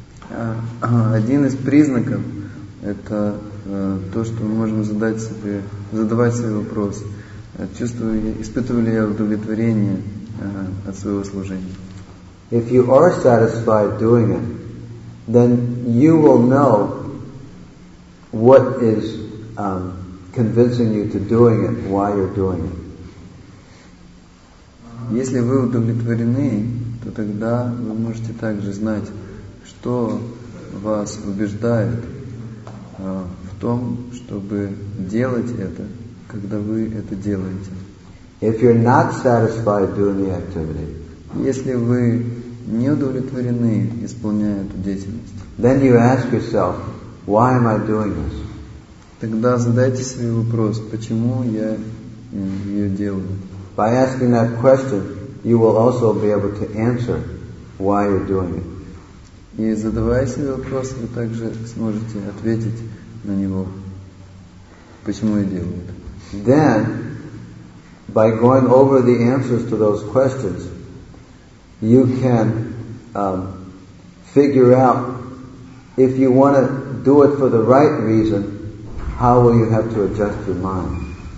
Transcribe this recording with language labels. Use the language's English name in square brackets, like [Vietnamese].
[Russian] Один из признаков это то, что мы можем задавать себе вопрос. Испытываю ли я удовлетворение от своего служения? [English] If you are satisfied doing it, then you will know what is convincing you to doing it, why you're doing it. [Russian] Если вы удовлетворены, то тогда вы можете также знать, что вас убеждает в том, чтобы делать это, когда вы это делаете. [English] If you're not satisfied doing the activity, [Russian] если вы не удовлетворены, исполняя эту деятельность, [English] then you ask yourself, why am I doing this? [Russian] Тогда задайте себе вопрос, почему я ее делаю. [English] By asking that question, you will also be able to answer why you're doing it. [Russian] И задавая себе вопрос, вы также сможете ответить на него, почему я делаю это. [English] Then, by going over the answers to those questions, you can figure out if you want to do it for the right reason, how will you have to adjust your mind.